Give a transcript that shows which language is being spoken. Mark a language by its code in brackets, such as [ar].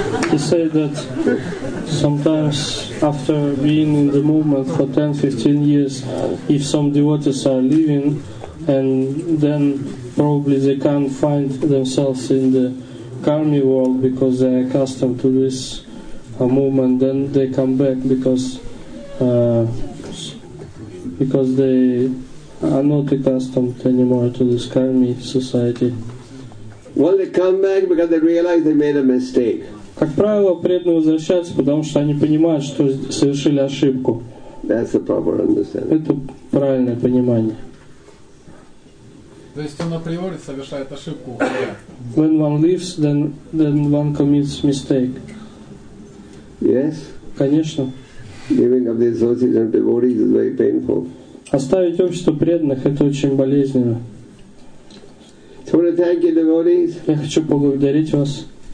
[en] He said that sometimes after being in the movement for 10-15 years, if some devotees are leaving, and then probably they can't find themselves in the karmic world because they are accustomed to this a movement, then they come back because they are not accustomed anymore to this karmic society. Well, they come back because they realize they made a mistake. [ru] Как правило, преданные возвращаются, потому что они понимают, что совершили ошибку. [en] That's the proper understanding. [ru] Это правильное понимание. То есть он априори совершает ошибку. [en] When one leaves, then one commits mistake. Yes. [ru] Конечно. [en] Giving up the associates and devotees is very painful. [ru] Оставить общество преданных – это очень болезненно. [en] So I want to thank you, devotees. [ru] Я хочу поблагодарить вас.